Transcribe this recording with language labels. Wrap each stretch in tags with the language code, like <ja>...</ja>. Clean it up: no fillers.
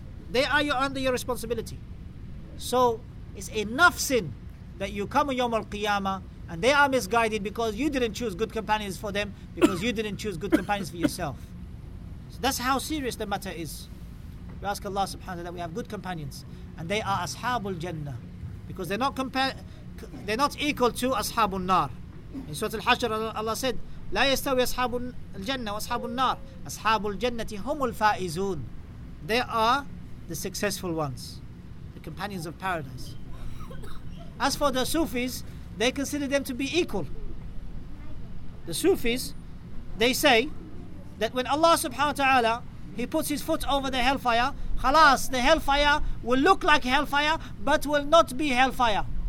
<en>They are under your responsibility. So it's enough sin that you come on Yawm al-Qiyamah and they are misguided because you didn't choose good companions for them, because you didn't choose good companions for yourself. So that's how serious the matter is. We ask Allah subhanahu wa ta'ala that we have good companions, and they are ashabul jannah, because they're not equal to ashabul nar. In Surah Al-Hashr, Allah said,</en> <ar>لا يستوي أصحاب الجنة وأصحاب النار أصحاب الجنة هم الفائزون.</ar> <en>They are the successful ones, the companions of paradise. As for the Sufis, they consider them to be equal. The Sufis, they say that when Allah subhanahu wa ta'ala, he puts his foot over the hellfire, خلاص, the hellfire will look like hellfire but will not be hellfire.</en>